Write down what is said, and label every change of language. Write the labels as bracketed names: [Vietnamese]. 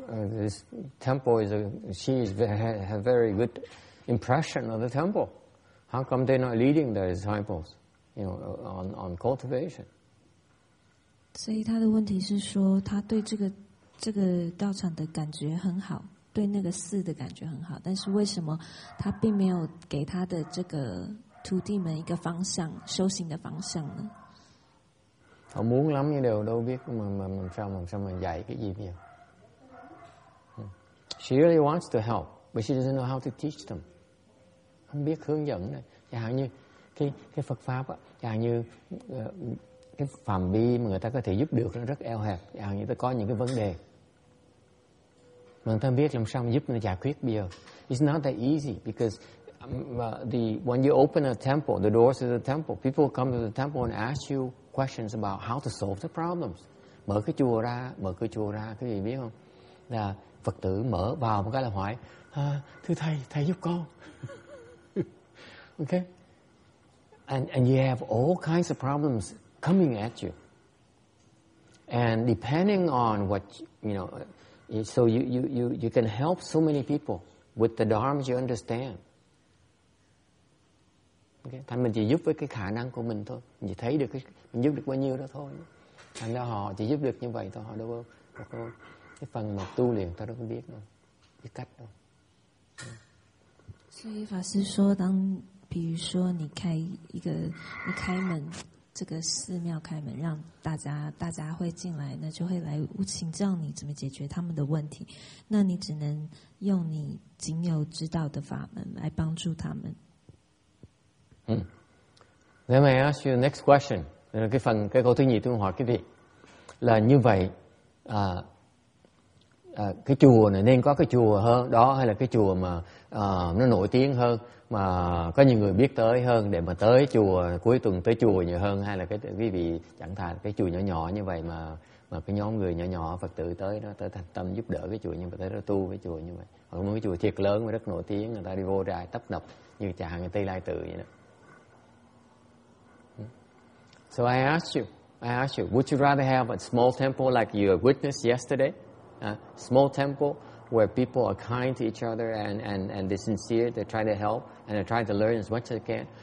[English] This temple is a, she is a very good impression of the temple. How come they're not leading their disciples, you know, on cultivation? [Chinese] 所以他的问题是说，他对这个道场的感觉很好，对那个寺的感觉很好，但是为什么他并没有给他的这个徒弟们一个方向，修行的方向呢？ [Vietnamese] Họ muốn lắm nhưng đều đâu biết mà sao mà dạy cái gì bây giờ. [English] She really wants to help, but she doesn't know how to teach them. [Vietnamese] Không biết hướng dẫn này. Chẳng hạn như cái Phật Pháp, chẳng hạn như cái phạm vi mà người ta có thể giúp được nó rất eo hẹp. Chẳng hạn như ta có những cái vấn đề. Mà người ta biết làm sao mà giúp nó giải quyết bây giờ. [English] It's not that easy because when you open a temple, the doors of the temple, people come to the temple and ask you questions about how to solve the problems. [Vietnamese] Mở cái chùa ra, cái gì biết không? Là Phật tử mở vào một cái là hỏi, thưa thầy, thầy giúp con. [English] Okay. And you have all kinds of problems coming at you. And depending on what you know, so you can help so many people with the dharma you understand. Okay. [Vietnamese] Thành mình chỉ giúp với cái khả năng của mình thôi, mình chỉ thấy được cái mình giúp được bao nhiêu đó thôi. Thành ra họ chỉ giúp được như vậy thôi, họ đâu có cái phần mà tu luyện, ta đâu có biết đâu, cái cách đâu. [Chinese] 所以法师说，当比如说你开一个，你开门，这个寺庙开门，让大家会进来，那就会来请教你怎么解决他们的问题。那你只能用你仅有知道的法门来帮助他们。 [English] Then I ask you the next question. [Vietnamese] Cái câu thứ nhì tôi hỏi quý vị là như vậy, cái chùa này nên có cái chùa hơn đó hay là cái chùa mà nó nổi tiếng hơn mà có nhiều người biết tới hơn để mà tới chùa cuối tuần tới chùa nhiều hơn hay là cái quý vị chẳng thà cái chùa nhỏ nhỏ như vậy mà cái nhóm người nhỏ nhỏ Phật tử tới đó tới thành tâm giúp đỡ cái chùa nhưng mà tới đó tu với chùa như vậy hoặc là một cái chùa thiệt lớn và rất nổi tiếng người ta đi vô trại tấp nập như chàng Tây Lai Tự vậy đó. [English] So I asked you, would you rather have a small temple like you witnessed yesterday? A small temple where people are kind to each other and they're sincere, they try to help and they try to learn as much as they can.